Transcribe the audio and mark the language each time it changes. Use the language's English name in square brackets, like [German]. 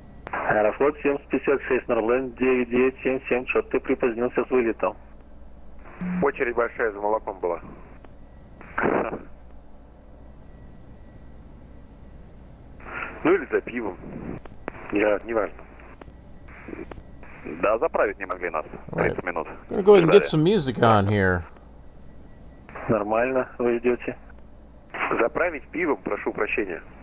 [Russian] Аэрофлот 756, Норленд 9977, что ты припозднился с вылетом? Очередь большая за молоком была. Ну или за пивом. Я, не важно. Да, заправить не могли нас. 30 right. минут. [English] I'm gonna go ahead and get some music on here. [Russian] Нормально вы идете. Заправить пивом, прошу прощения.